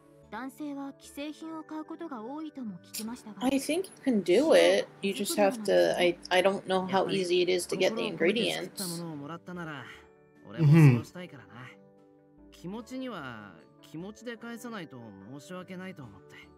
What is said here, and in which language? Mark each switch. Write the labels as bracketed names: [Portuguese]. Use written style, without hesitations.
[Japanese] 男性は既製品を買うことが多いとも聞きましたが。 [English] I think you can do it. You just have to. I don't know how easy it is to get the ingredients. [Japanese] 気持ちには気持ちで返さないと申し訳ないと思って。